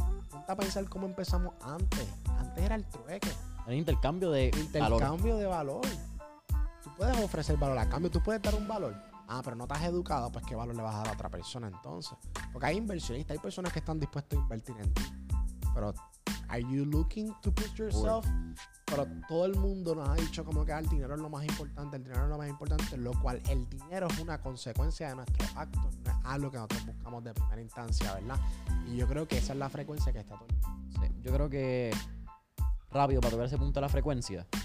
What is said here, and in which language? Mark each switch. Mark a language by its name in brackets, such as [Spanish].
[Spanish] Ponte a pensar cómo empezamos antes. Antes era el trueque. El intercambio de valor. Intercambio de valor. Tú puedes ofrecer valor a cambio, tú puedes dar un valor. Pero no estás educado, pues ¿qué valor le vas a dar a otra persona entonces? Porque hay inversionistas, hay personas que están dispuestas a invertir en ti. Pero, [English] are you looking to put yourself? [Spanish] Pero todo el mundo nos ha dicho como que el dinero es lo más importante, lo cual el dinero es una consecuencia de nuestros actos, no es algo que nosotros buscamos de primera instancia, ¿verdad? Y yo creo que esa es la frecuencia que está todo el mundo. Sí, yo creo que, rápido, para tocar ese punto de la frecuencia...